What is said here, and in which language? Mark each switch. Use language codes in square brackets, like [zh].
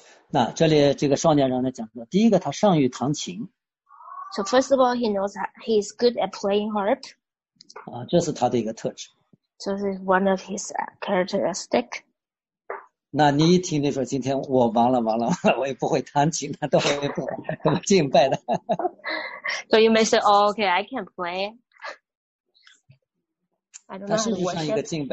[zh] 那这里这个少年人呢讲说，第一个他善于弹琴。 [en] So first of all, he knows he is good at playing harp. [zh] 啊，这是他的一个特质。 [en] So this is one of his characteristic. [zh] 那你一听你说今天我完了，我也不会弹琴了，都会不怎么敬拜的。 [en] So you may say, oh, okay, I can play. I don't know how to worship.